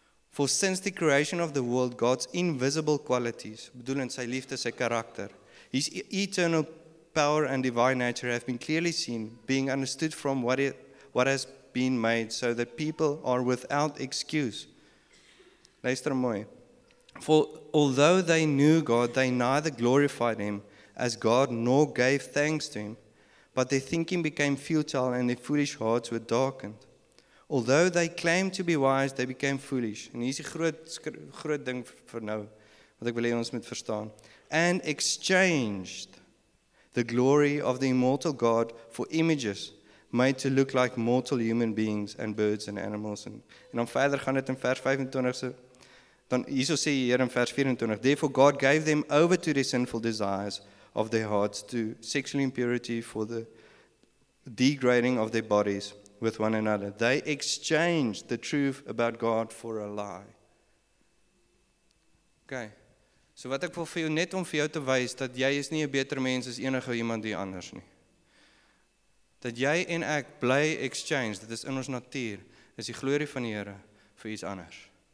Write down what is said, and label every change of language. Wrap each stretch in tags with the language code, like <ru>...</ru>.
<en>For since the creation of the world God's invisible qualities,</en> <af>bedoel in sy liefde, sy karakter,</af> <en>his eternal power and divine nature have been clearly seen, being understood from what has been made so that people are without excuse.</en> <af>Luister mooi.</af> <en>For although they knew God, they neither glorified him as God nor gave thanks to him, but their thinking became futile and their foolish hearts were darkened. Although they claimed to be wise, they became foolish.</en> <af>En hier is die groot ding vir nou, wat ek wil hê ons moet verstaan.</af> <en>And exchanged the glory of the immortal God for images made to look like mortal human beings and birds and animals.</en> <af>En dan verder gaan dit in vers 25 Dan hierso sê hier in vers 24,</af> <en>therefore God gave them over to the sinful desires of their hearts, to sexual impurity for the degrading of their bodies with one another. They exchanged the truth about God for a lie.</en> <af>Okay, so wat ek wil vir jou, net om vir jou te wys, dat jy is nie 'n beter mens as enige iemand die anders nie. Dat jy en ek bly exchange, dit is in ons natuur, is die glorie van die Here vir iets anders.</af>